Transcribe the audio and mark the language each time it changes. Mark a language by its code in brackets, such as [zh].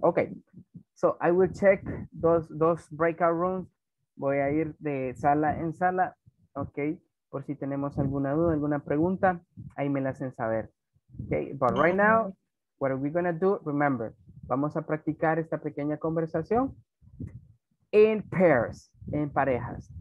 [en] Okay, so I will check those breakout rooms. [es] Voy a ir de sala en sala. Okay. Por si tenemos alguna duda, alguna pregunta, ahí me la hacen saber. [en] Okay, but right now, what are we gonna do? [es] Remember, vamos a practicar esta pequeña conversación [en] in pairs, [es] en parejas.